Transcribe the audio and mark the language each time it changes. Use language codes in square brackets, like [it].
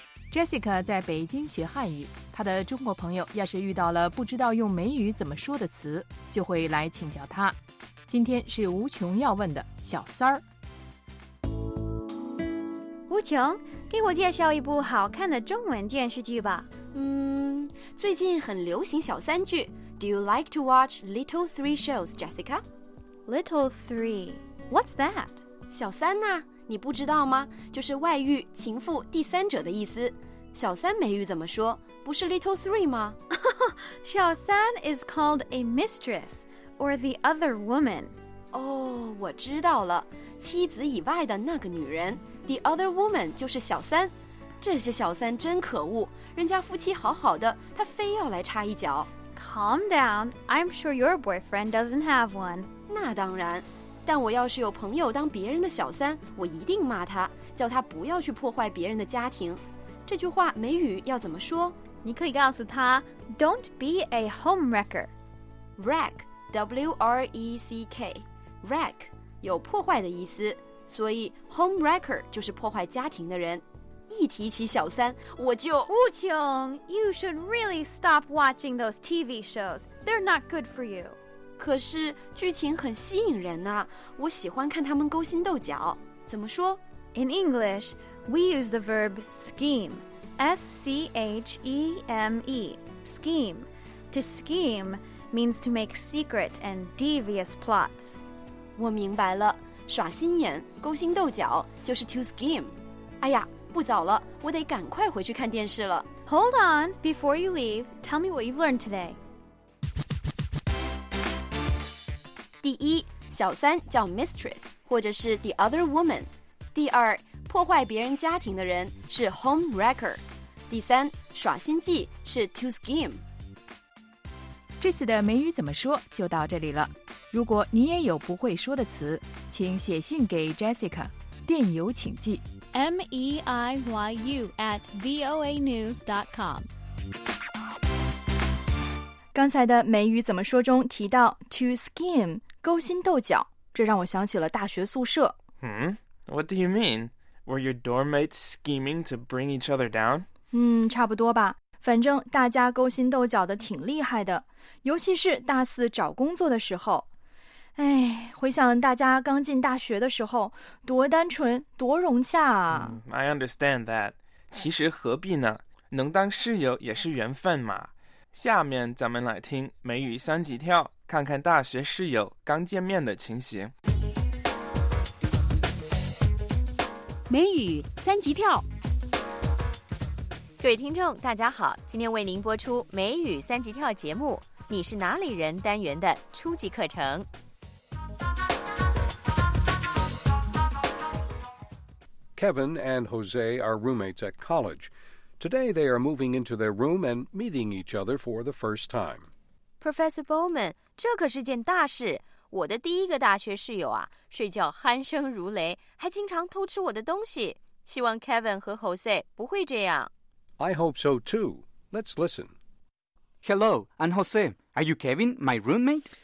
[zh] Jessica 在北京学汉语，她的中国朋友要是遇到了不知道用美语怎么说的词，就会来请教她。今天是无穷要问的小三儿。无穷，给我介绍一部好看的中文电视剧吧。最近很流行小三剧。 [en] Do you like to watch Little Three Shows, Jessica? Little Three... What's that? [zh] 小三呐、啊，你不知道吗？就是外遇、情妇、第三者的意思。小三美语怎么说？不是 little three 吗？ [en] 小三 is called a mistress or the other woman. [zh] 哦、oh, ，我知道了，妻子以外的那个女人 ，the other woman 就是小三。这些小三真可恶，人家夫妻好好的，她非要来插一脚。 [en] Calm down, I'm sure your boyfriend doesn't have one. [zh] 那当然。但我要是有朋友当别人的小三，我一定骂他，叫他不要去破坏别人的家庭。这句话美语要怎么说？你可以告诉他 ， [en] Don't be a home wrecker. [zh] Wreck, W-R-E-C-K, wreck 有破坏的意思，所以 home wrecker 就是破坏家庭的人。一提起小三，我就无穷。 [en] You should really stop watching those TV shows. They're not good for you. [zh] 可是剧情很吸引人啊，我喜欢看他们勾心斗角。怎么说 [en] ？In English, we use the verb scheme, S-C-H-E-M-E, scheme. To scheme means to make secret and devious plots. [zh] 我明白了，耍心眼、勾心斗角就是 to scheme。哎呀，不早了，我得赶快回去看电视了。 [en] Hold on, before you leave, tell me what you've learned today. [zh] 第一，小三叫 mistress 或者是 the other woman。第二，破坏别人家庭的人是 homewrecker。第三，耍心计是 to scheme。这次的美语怎么说就到这里了。如果你也有不会说的词，请写信给 Jessica， 电邮请寄 [en] meiyu at voanews.com。 [zh] 刚才的美语怎么说中提到 to scheme， 勾心斗角，这让我想起了大学宿舍。 [en] What do you mean? Were your dorm mates scheming to bring each other down? [zh] 差不多吧。反正大家勾心斗角的挺厉害的，尤其是大四找工作的时候。哎，回想大家刚进大学的时候，多单纯，多融洽啊。 [en] I understand that. [zh] 其实何必呢？能当室友也是缘分嘛。下面咱们来听美语三级跳，看看大学室友刚见面的情形。美语三级跳。各位听众大家好，今天为您播出美语三级跳节目，你是哪里人单元的初级课程。 [en] Kevin and Jose are roommates at college. Today they are moving into their room and meeting each other for the first time. [zh] Professor Bowman, 这可是件大事。我的第一个大学室友啊，睡觉鼾声如雷，还经常偷吃我的东西。希望 Kevin 和 Jose 不会这样。 [en] I hope so too. Let's listen. Hello, I'm Jose. Are you Kevin, my roommate?